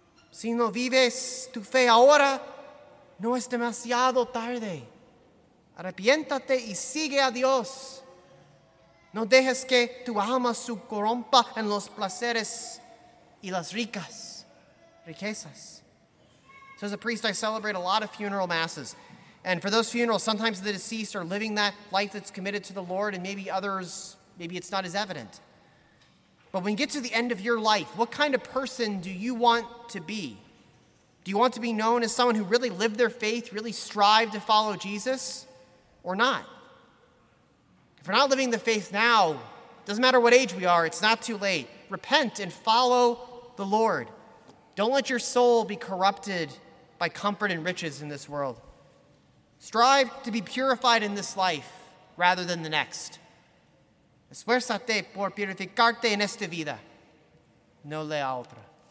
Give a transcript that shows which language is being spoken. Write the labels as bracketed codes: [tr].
[es] Si no vives tu fe ahora, no es demasiado tarde. Arrepiéntate y sigue a Dios. No dejes que tu alma se corrompa en los placeres y las riquezas. [en] So as a priest, I celebrate a lot of funeral masses. And for those funerals, sometimes the deceased are living that life that's committed to the Lord, and maybe others, maybe it's not as evident. But when you get to the end of your life, what kind of person do you want to be? Do you want to be known as someone who really lived their faith, really strived to follow Jesus, or not? If we're not living the faith now, doesn't matter what age we are, it's not too late. Repent and follow the Lord. Don't let your soul be corrupted by comfort and riches in this world. Strive to be purified in this life rather than the next. [es] Esfuérzate por purificarte en esta vida, no la otra.